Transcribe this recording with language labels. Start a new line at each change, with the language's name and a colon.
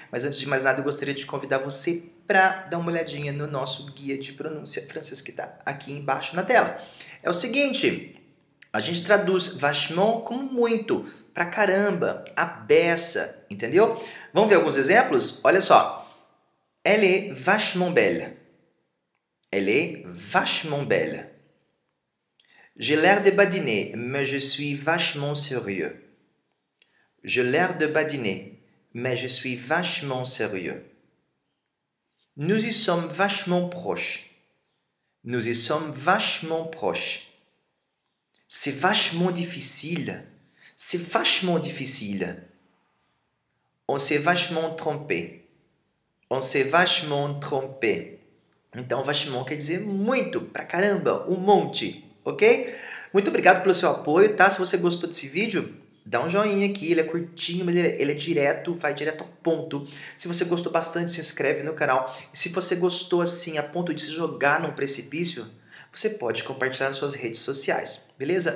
Portuguese: Mas antes de mais nada, eu gostaria de convidar você para dar uma olhadinha no nosso guia de pronúncia francês que está aqui embaixo na tela. É o seguinte: a gente traduz vachement como muito, pra caramba, à beça, entendeu? Vamos ver alguns exemplos? Olha só.
French: Elle est vachement belle. Elle est vachement belle. J'ai l'air de badiner, mais je suis vachement sérieux. J'ai l'air de badiner, mais je suis vachement sérieux. Nous y sommes vachement proches. Nous y sommes vachement proches. C'est vachement difficile. C'est vachement difficile. On s'est vachement trompé. On s'est vachement trompé.
Portuguese: Então, vachement quer dizer muito, pra caramba, um monte, ok? Muito obrigado pelo seu apoio, tá? Se você gostou desse vídeo, dá um joinha aqui. Ele é curtinho, mas ele é direto, vai direto ao ponto. Se você gostou bastante, se inscreve no canal. E se você gostou assim, a ponto de se jogar num precipício, você pode compartilhar nas suas redes sociais, beleza?